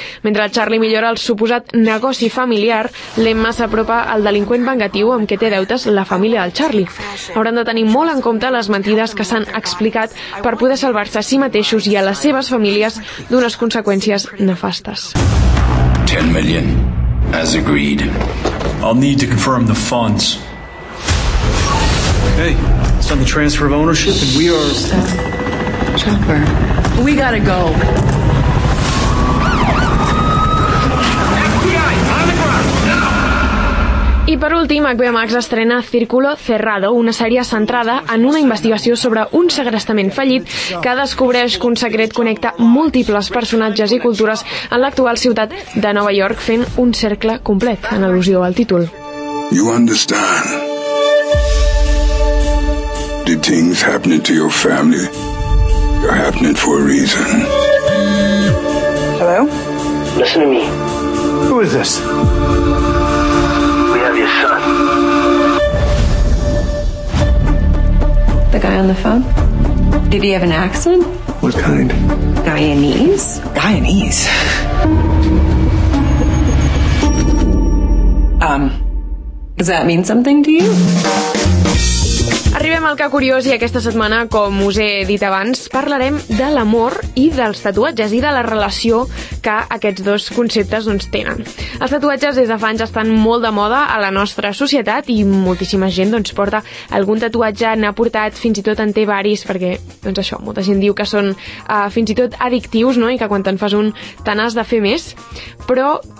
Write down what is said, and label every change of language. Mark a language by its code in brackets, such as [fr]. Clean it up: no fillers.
[ca] Mentre Charlie millora el suposat negoci familiar, l'Emma s'apropa al delinqüent vengatiu amb què té deutes la família del Charlie. Hauran de tenir molt en compte les mentides que s'han explicat per poder salvar-se a si mateixos i a les seves famílies d'unes conseqüències nefastes. [en] 10 million, as agreed. I'll need to confirm the funds. Hey, it's on the transfer of ownership and we are... Stop. Chopper. We gotta go. [ca] I per últim, HBO Max estrena Círculo Cerrado, una sèrie centrada en una investigació sobre un segrestament fallit que descobreix que un secret connecta múltiples personatges i cultures en l'actual ciutat de Nova York, fent un cercle complet, en al·lusió al títol. [en] You understand? The things happening to your family are happening for a reason. Hello? Listen to me. Who is this? The guy on the phone? Did he have an accent? What kind? Guyanese? Guyanese? Does that mean something to you? [ca] Arribem al que curiós i aquesta setmana, com us he dit abans, parlarem de l'amor i dels tatuatges i de la relació que aquests dos conceptes doncs, tenen. Els tatuatges des de fa anys estan molt de moda a la nostra societat i moltíssima gent doncs, porta algun tatuatge, n'ha portat, fins i tot en té varis, perquè doncs, això, molta gent diu que són fins i tot addictius no? I que quan te'n fas un te n'has de fer més, però...